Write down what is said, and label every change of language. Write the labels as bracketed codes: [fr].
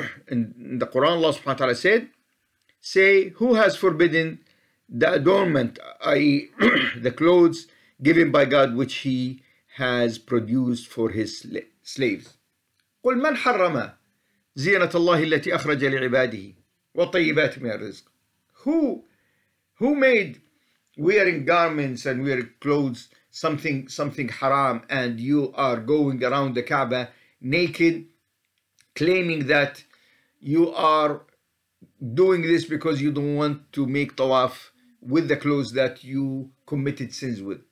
[en] In the Quran, Allah subhanahu wa ta'ala said, say, who has forbidden the adornment, i.e. the clothes given by God which he has produced for his slaves? [ar] قُلْ مَنْ حَرَّمَا زينة الله التي أخرج لعباده والطيبات من الرزق. [en] Who made wearing garments and wearing clothes something haram, and you are going around the Kaaba naked, claiming that you are doing this because you don't want to make tawaf with the clothes that you committed sins with?